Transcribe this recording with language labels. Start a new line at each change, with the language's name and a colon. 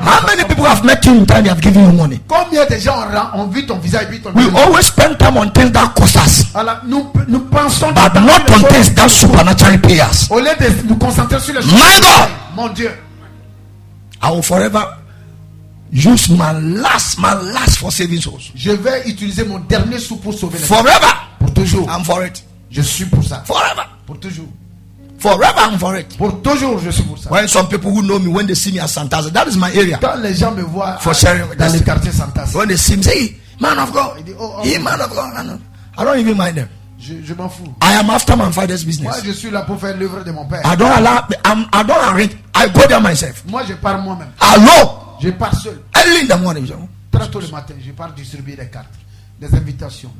English: How many people have met you in time? They have given you money.
French: Combien de gens ont vu ton visage et puis ton.
English: We always spend time on things that cost us.
French: Voilà, nous pensons.
English: But not on things that supernaturally pay us.
French: Au lieu de nous concentrer sur les
English: choses. My God.
French: Mon Dieu.
English: I will forever use my last for saving souls.
French: Je vais utiliser mon dernier sou pour sauver les
English: forever. Gens.
French: Pour toujours.
English: I'm for it.
French: Je suis pour ça.
English: Forever.
French: Pour toujours.
English: Forever, I'm for it.
French: Pour toujours, je suis pour ça.
English: When some people who know me, when they see me at Santaza, that is my area.
French: Quand les gens me voient
English: for sharing
French: dans le quartier Santaza.
English: When they see me, say, man of God. Dit, oh, hey, man of God. I don't even mind them.
French: Je m'en fous.
English: I am after my father's business.
French: Moi, je suis là pour faire l'œuvre de mon père.
English: I don't arrange. I go there myself.
French: Moi, je pars moi-même. Allô. Je pars seul.
English: Early in the morning,
French: je. Très tôt le matin, je pars distribuer des cartes, des invitations.